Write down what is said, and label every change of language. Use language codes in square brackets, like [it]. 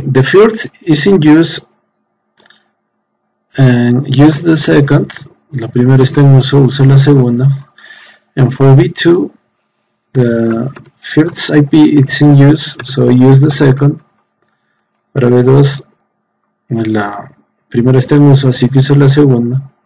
[en] The first is in use and use the second. [es] La primera está en uso, usa la segunda. [en] And for B2 the first IP is in use, so use the second. [es] Para B2 la primera está en uso, así que usa la segunda.